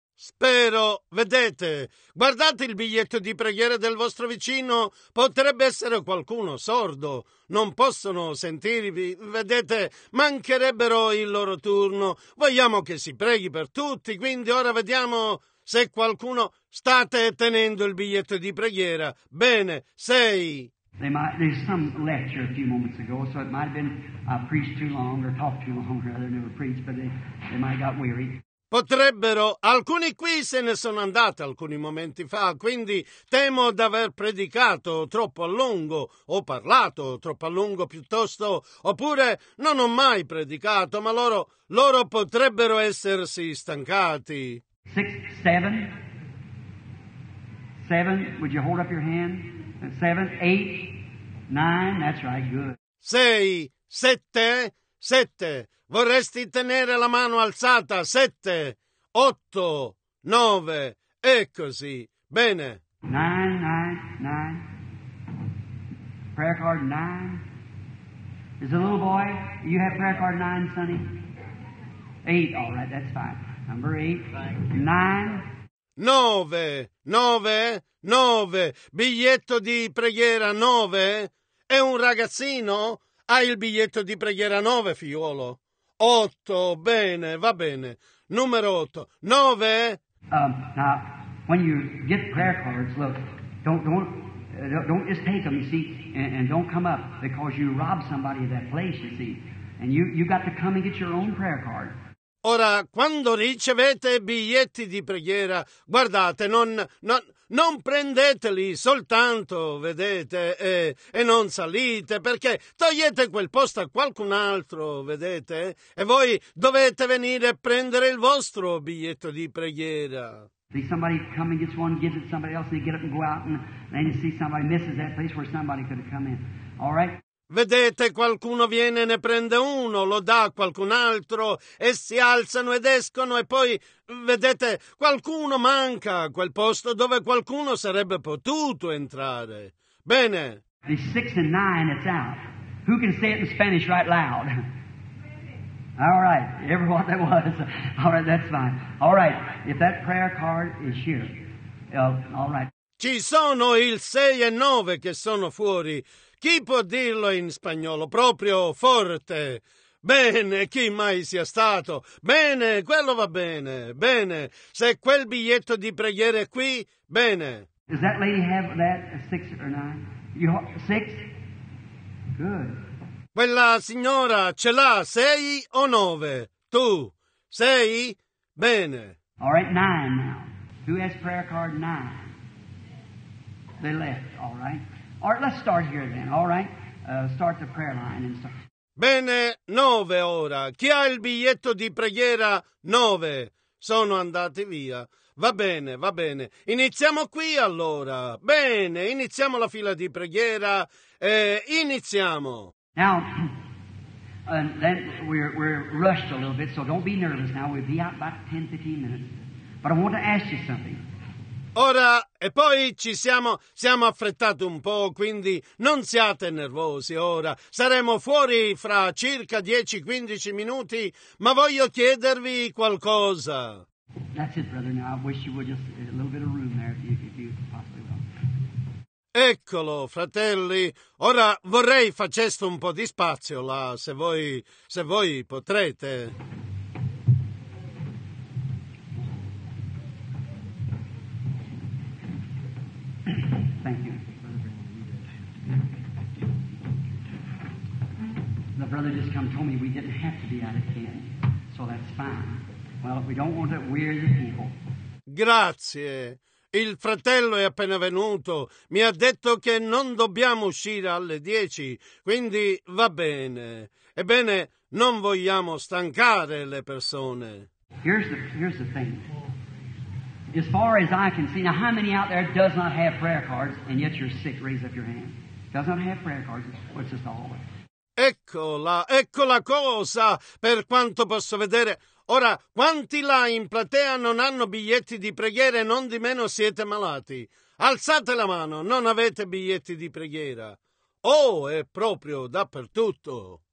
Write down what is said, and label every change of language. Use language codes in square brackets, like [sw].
[it] Spero, vedete, guardate il biglietto di preghiera del vostro vicino, potrebbe essere qualcuno sordo, non possono sentirvi, vedete, mancherebbero il loro turno, vogliamo che si preghi per tutti, quindi ora vediamo se qualcuno state tenendo il biglietto di preghiera, bene, 6. [en] There's some lecture a few moments ago, so it might have been preached too long or talked too long, rather never preached, but they might have got weary. [it] Potrebbero, alcuni qui se ne sono andati alcuni momenti fa, quindi temo d'aver predicato troppo a lungo, o parlato troppo a lungo piuttosto, oppure non ho mai predicato, ma loro potrebbero essersi stancati. [en] 6, 7. 7, would you hold up your hand? 7, 8, 9, that's right, good. 6, 7, 7. [it] Vorresti tenere la mano alzata? 7, 8, 9, e così. Bene. [en] 9, 9, 9. Prayer card 9. Is a little boy? You have prayer card 9, Sonny? 8, all right, that's fine. Number 8. 9. 9, 9, 9. [it] Biglietto di preghiera 9. È un ragazzino? Ha il biglietto di preghiera 9, figliuolo? 8, bene, va bene. Numero 8, 9. [en] Now, when you get prayer cards, look, don't just take them, you see, and don't come up because you robbed somebody of that place, you see. And you got to come and get your own prayer card. [it] Ora, quando ricevete biglietti di preghiera, guardate, non prendeteli soltanto, vedete, e non salite, perché togliete quel posto a qualcun altro, vedete, e voi dovete venire a prendere il vostro biglietto di preghiera. [en] See, somebody come and gets one, gives it to somebody else, and they get up and go out, and then you see somebody misses that place where somebody could have come in, all right? [it] Vedete, qualcuno viene e ne prende uno, lo dà a qualcun altro, e si alzano ed escono, e poi, vedete, qualcuno manca a quel posto dove qualcuno sarebbe potuto entrare. Bene. [en] The 6 and 9, it's out. Who can say it in Spanish right loud? All right, everyone that was. All right, that's fine. All right, if that prayer card is here, all right. [it] Ci sono il 6 e 9 che sono fuori. Chi può dirlo in spagnolo? Proprio forte. Bene, chi mai sia stato. Bene, quello va bene. Bene, se quel biglietto di preghiera è qui, bene. [en] Does that lady have that 6 or 9? You 6? Good. [it] Quella signora ce l'ha 6 o 9? Tu, 6? Bene. [en] All right, 9 now. Who has prayer card 9? They left, all right. All right, let's start here then, all right? Start the prayer line and start. [it] Bene, 9 ora. Chi ha il biglietto di preghiera? 9. Sono andati via. Va bene, va bene. Iniziamo qui allora. Bene, iniziamo la fila di preghiera. Iniziamo. [en] Now, then we're rushed a little bit, so don't be nervous now. We'll be out about 10-15 minutes. But I want to ask you something. [it] Ora, e poi ci siamo affrettati un po', quindi non siate nervosi ora. Saremo fuori fra circa 10-15 minuti, ma voglio chiedervi qualcosa. [en] That's it, brother. Now I wish you would just a little bit of room there if you possibly will. [it] Eccolo, fratelli. Ora vorrei faceste un po' di spazio là, se voi potrete. The brother just come told me we didn't have to be out of 10, so that's fine. Well, if we don't want to weary the people. Grazie. Il fratello è appena venuto. Mi ha detto che non dobbiamo uscire alle 10, quindi va bene. Ebbene, non vogliamo stancare le persone. [en] Here's the thing. As far as I can see, now how many out there does not have prayer cards and yet you're sick? Raise up your hand. Does not have prayer cards. What's this all about? [it] Eccola cosa, per quanto posso vedere. Ora, quanti là in platea non hanno biglietti di preghiera e non di meno siete malati? Alzate la mano, non avete biglietti di preghiera. Oh, è proprio dappertutto.